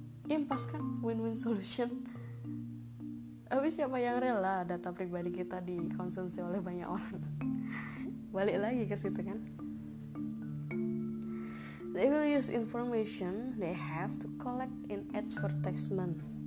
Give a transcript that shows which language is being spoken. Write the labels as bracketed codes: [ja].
[id] Impas kan, [en] win-win solution. [id] Habis siapa yang rela data pribadi kita dikonsumsi oleh banyak orang? Balik lagi ke situ kan. [en] They will use information they have to collect in advertisement.